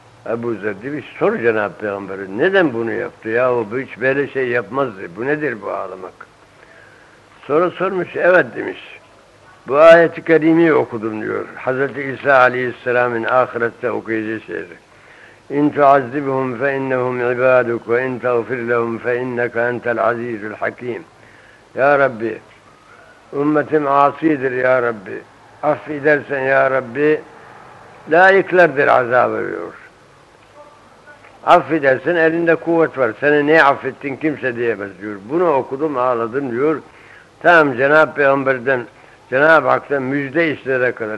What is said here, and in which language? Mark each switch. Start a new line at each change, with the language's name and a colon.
Turkish: Ebu Zer demiş, sor Cenab-ı Peygamber'e neden bunu yaptı? Yahu bu hiç böyle şey yapmazdı. Bu nedir bu ağlamak? Sonra sormuş, evet demiş. Bu ayeti kerimeyi okudum diyor. Hazreti İsa Aleyhisselam'ın ahirette okuyacağı şeydi.
Arabic: اِنْ تُعَذِّبْهُمْ فَاِنَّهُمْ عِبَادُكُ وَاِنْ تَغْفِرْ لَهُمْ فَاِنَّكَ اَنْتَ الْعَز۪يزُ الْحَك۪يمِ
Turkish: Ya Rabbi, ümmetim asidir ya Rabbi. Affedersen ya Rabbi, layıklardır azabı diyor. Affedersen elinde kuvvet var. Seni ne affettin kimse diyemez diyor. Bunu okudum ağladım diyor. Tamam Cenab-ı Peygamber'den, Cenab-ı Hak'tan müjde işlere kadar.